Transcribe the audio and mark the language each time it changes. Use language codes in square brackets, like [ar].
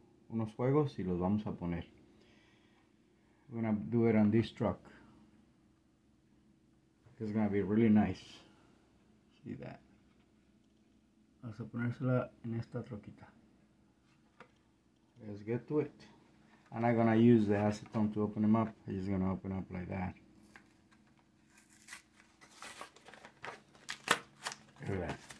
[es] Unos juegos y los vamos a poner. [en] We're gonna do it on this truck. It's gonna be really nice. See that. [es] Vamos a ponérsela en esta troquita. [en] Let's get to it. I'm not gonna use the acetone to open them up. I'm just gonna open up like that. Look at that.